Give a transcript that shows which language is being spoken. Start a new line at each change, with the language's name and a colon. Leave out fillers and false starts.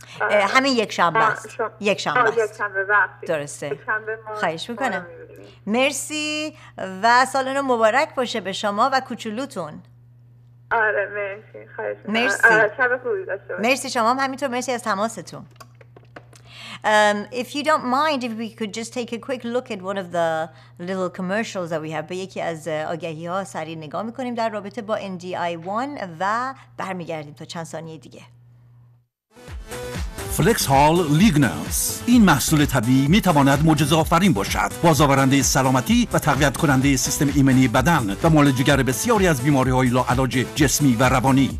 Persian: همین یک شنبه است. یک شنبه درسته. خواهش میکنم، مرسی و سالن مبارک باشه به شما و کوچولوتون. آره مرسی، خواهش میکنم، شب خوبی داشته باشه. مرسی شما هم همینطور، مرسی از تماستون.
English: If you don't mind, if we could just take a quick look at one of the little commercials that we have.
Persian: به یکی از آگهی ها سریع نگاه میکنیم در رابطه با NDI1 و برمیگردیم تا چند ثانیه دیگه. فلکس هال لیگنانس، این محصول طبیعی می تواند معجزه آفرین باشد. بازآورنده سلامتی و تقویت کننده سیستم ایمنی بدن و معالجگر بسیاری از بیماری های لاعلاج جسمی و روانی.